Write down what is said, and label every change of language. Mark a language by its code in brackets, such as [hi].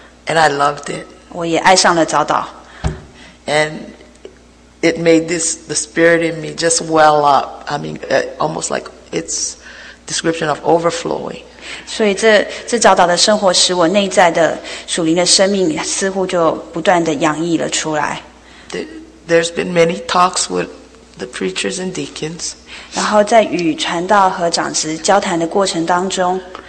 [en] And I loved it. [zh] 我也爱上了早祷。 [en] And it made the spirit in me just well up. I mean, almost like its description of overflowing. [zh] 所以这早祷的生活使我内在的属灵的生命似乎就不断的洋溢了出来。 [en] There's been many talks with the preachers and deacons. [zh] 然后在与传道和长职交谈的过程当中